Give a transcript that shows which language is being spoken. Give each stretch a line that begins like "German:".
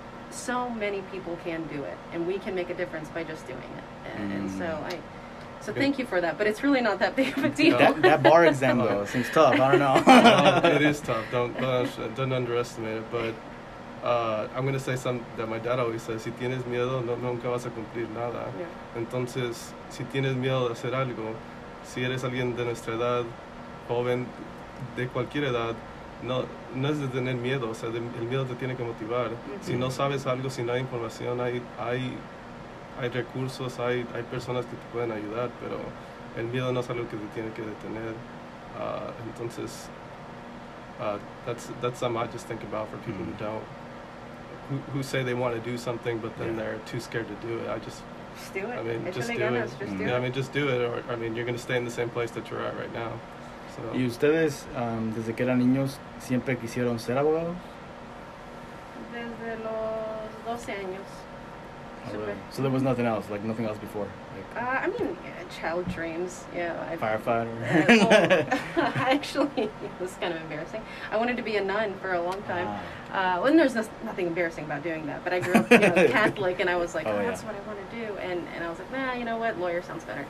English: So many people can do it, and we can make a difference by just doing it. And so thank you for that. But it's really not that big of a deal. That bar exam, though, seems tough. I don't know. It is tough. Don't underestimate it. But I'm going to say something that my dad always says.
Spanish: Si tienes miedo, no, nunca vas a cumplir nada.
English: Yeah.
Spanish: Entonces, si tienes miedo de hacer algo, si eres alguien de nuestra edad, joven, de cualquier edad, No es de tener miedo, o sea, el miedo te tiene que motivar. Mm-hmm. Si no sabes algo, si no hay información, hay recursos, hay personas que te pueden ayudar, pero el miedo no es algo que te tiene que detener.
English: Entonces, that's something I just think about for people who don't, who say they want to do something, but then they're too scared to do it. Just do it. Or, I mean, you're going to stay in the same place that you're at right now.
Spanish: ¿Y ustedes, desde que eran niños, siempre quisieron ser abogados? Desde los 12 años.
English: Right. So there was nothing else, like nothing else before? I mean, child dreams, yeah. Firefighter? actually, it was kind of embarrassing. I wanted to be a nun for a long time. Well, there's nothing embarrassing about doing that, but I grew up, you know, Catholic, and I was like, that's what I want to do. And I was like, nah, you know what, lawyer sounds better.